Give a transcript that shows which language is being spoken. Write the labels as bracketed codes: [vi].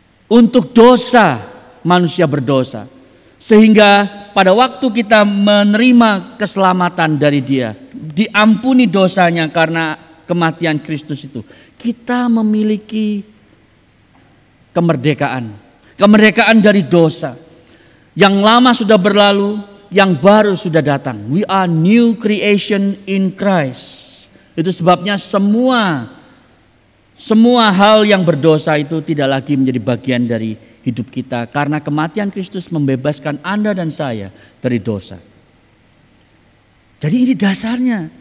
[id] untuk dosa manusia berdosa. Sehingga pada waktu kita menerima keselamatan dari dia, diampuni dosanya karena kematian Kristus itu, kita memiliki kemerdekaan. Kemerdekaan dari dosa. Yang lama sudah berlalu, yang baru sudah datang. [en] We are new creation in Christ. [id] Itu sebabnya semua hal yang berdosa itu tidak lagi menjadi bagian dari hidup kita. Karena kematian Kristus membebaskan Anda dan saya dari dosa. Jadi ini dasarnya.